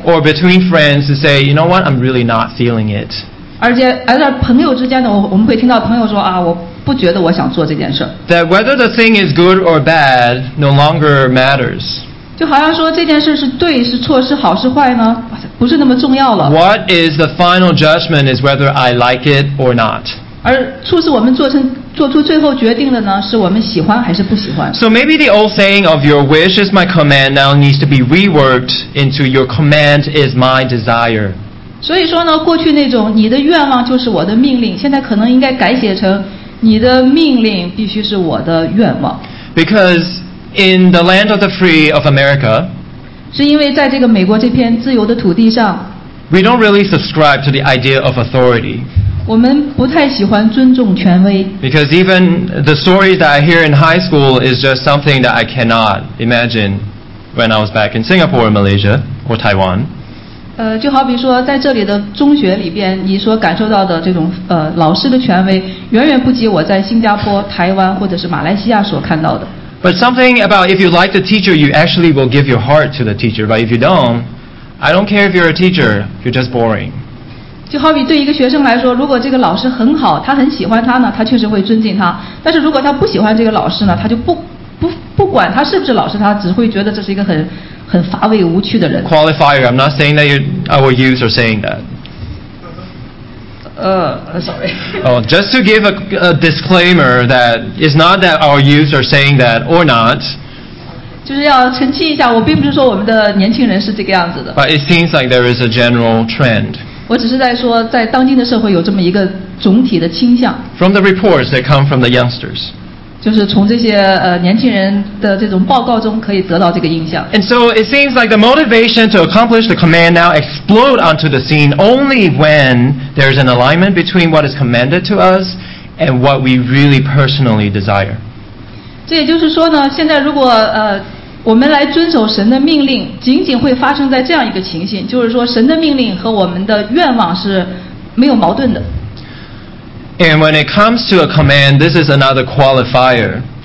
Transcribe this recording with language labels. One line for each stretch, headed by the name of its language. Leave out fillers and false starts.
English: Or between friends to say, you know what, I'm really not feeling it.
Chinese: 而在朋友之间呢，我们会听到朋友说啊，我不觉得我想做这件事。
English: That whether the thing is good or bad no longer matters.
Chinese: 就好像说这件事是对是错是好是坏呢，不是那么重要了。
English: What is the final judgment is whether I like it or not.
Chinese: 而促使我们做出最后决定的呢，是我们喜欢还是不喜欢。
English: So maybe the old saying of your wish is my command now needs to be reworked into your command is my desire.
Chinese: 所以说呢，过去那种你的愿望就是我的命令，现在可能应该改写成你的命令必须是我的愿望。
English: Because. In the land of the free of America,
Chinese: 是因为在这个美国这片自由的土地上
English: we don't really subscribe to the idea of authority.
Chinese: 我们不太喜欢尊重权威
English: because even the stories that I hear in high school is just something that I cannot imagine when I was back in Singapore or Malaysia or Taiwan.
Chinese: 就好比说在这里的中学里边，你所感受到的这种老师的权威，远远不及我在新加坡、台湾或者是马来西亚所看到的。
English: But something about if you like the teacher, you actually will give your heart to the teacher. But if you don't, I don't care if you're a teacher, you're just boring.
Chinese: 就好比对一个学生来说，如果这个老师很好，他很喜欢他呢，他确实会尊敬他。但是如果他不喜欢这个老师呢，他就不管他是不是老师，他只会觉得这是一个很乏味无趣的人。
English: Qualifier, I'm not saying that our youth are saying that. Sorry. Oh, just to give a disclaimer that it's not that our youth are saying that or not.
Chinese: 就是要澄清一下，我并不是说我们的年轻人是这个样子的。
English: But it seems like there is a general trend.
Chinese: 我只是在说，在当今的社会有这么一个总体的倾向。
English: From the reports that come from the youngsters.
Chinese: 就是从这些年轻人的这种报告中可以得到这个印象。
English: And so it seems like the motivation to accomplish the command now explode onto the scene only when. There is an alignment between what is commanded to us and what we really personally desire.
Chinese: 这也就是说呢，现在如果我们来遵守神的命令，仅仅会发生在这样一个情形，就是说神的命令和我们的愿望是没有矛盾的。
English: And when it comes to a command, this is another qualifier.